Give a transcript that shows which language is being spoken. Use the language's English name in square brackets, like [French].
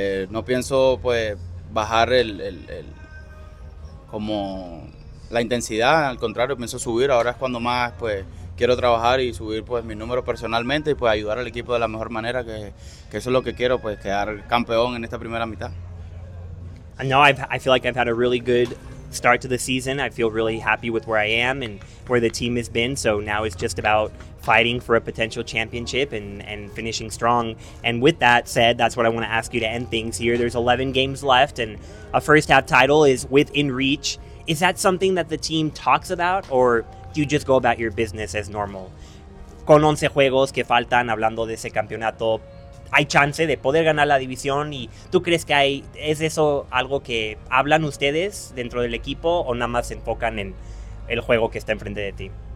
[Spanish] No pienso, pues, bajar el como la intensidad. Al contrario, pienso subir. Ahora es cuando más, pues, quiero trabajar y subir, pues, mi número personalmente y, pues, ayudar al equipo de la mejor manera, que eso es lo que quiero, pues, quedar campeón en esta primera mitad. [English] No, I feel like I've had a really good start to the season. I feel really happy with where I am and where the team has been. So now it's just about fighting for a potential championship and finishing strong. And with that said, that's what I want to ask you to end things here. There's 11 games left and a first half title is within reach. Is that something that the team talks about, or do you just go about your business as normal? [Spanish] Con 11 juegos que faltan, hablando de ese campeonato, ¿hay chance de poder ganar la división? ¿Y tú crees que es eso algo que hablan ustedes dentro del equipo, o nada más se enfocan en el juego que está enfrente de ti?